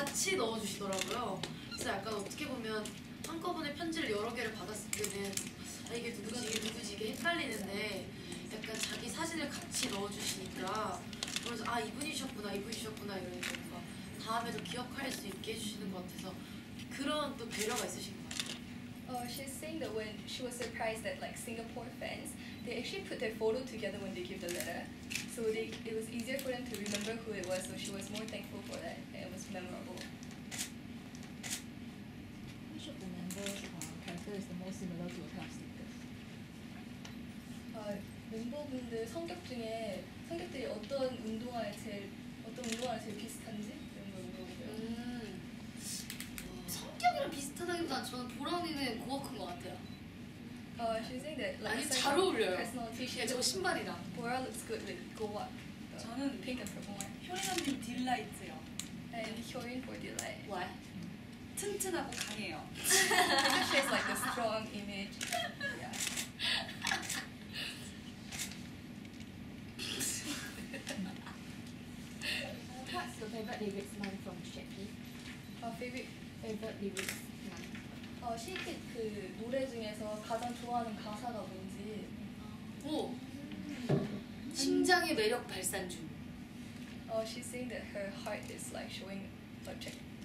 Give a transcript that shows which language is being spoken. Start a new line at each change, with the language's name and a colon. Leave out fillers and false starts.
Korean: 같이 넣어주시더라고요. 그래서 약간 어떻게 보면 한꺼번에 편지를 여러 개를 받았을 때는 아 이게 누구지 이게 누구지 이게 헷갈리는데 약간 자기 사진을 같이 넣어주시니까 그래서 아 이분이셨구나 이분이셨구나 이러니까 다음에도 기억할 수 있게 해주시는 것 같아서 그런 또 배려가 있으신 것 같아요.
English: Oh, she's saying that when she was surprised that like Singapore fans they actually put their photo together when they give the letter. So it was easier for them to remember who it was, so she was more thankful for that. It was memorable. Which of the members' character is the most similar to a type of sneakers?
Korean: 멤버분들 성격 중에 성격들이 어떤 운동화에 제일 비슷한지? 이런 걸 물어보고요. 성격이랑 비슷하다기보다 저는 브라운이는 고가 큰 것 같아요.
English: She's saying that like
Korean: 아니, 잘 어울려요. 저 신발이랑.
English: Bora looks good with go-up. 저는 pink and purple.
Korean: 효린이 딜라이트요.
English: And Hyorin for delight. Why?
Korean: 튼튼하고 강해요.
English: She has like a strong image. What's your favorite lyrics line from Shaky? Favorite lyrics.
Korean: 시키 그 노래 중에서 가장 좋아하는 가사가 뭔지 오! 심장의 매력 발산 중
English: She's saying that her heart is like showing attraction